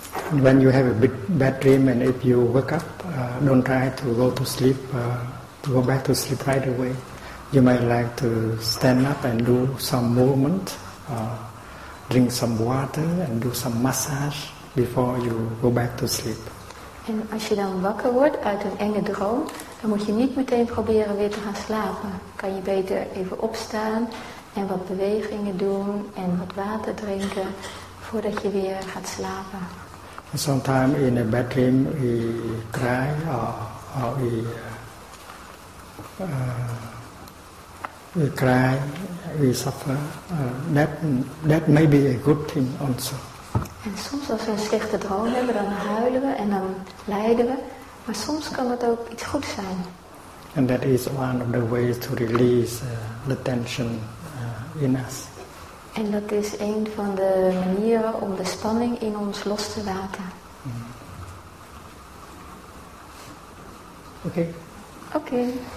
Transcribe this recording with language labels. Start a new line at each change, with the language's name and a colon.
English: And when you have a bad dream and if you wake up, don't try to go to sleep, to go back to sleep right away. You might like to stand up and do some movement, drink some water and do some massage before you go back to sleep.
Dutch: En als je dan wakker wordt uit een enge droom, dan moet je niet meteen proberen weer te gaan slapen. Kan je beter even opstaan en wat bewegingen doen en wat water drinken voordat je weer gaat slapen.
English: Sometimes in a bad dream we cry or we cry, we suffer. That may be a good thing also.
Dutch: En soms als we een slechte droom hebben, dan huilen we en dan lijden we. Maar soms kan het ook iets goed zijn.
English: And that is one of the ways to release the tension in us.
Dutch: En dat is een van de manieren om de spanning in ons los te laten. Oké.
English: Okay.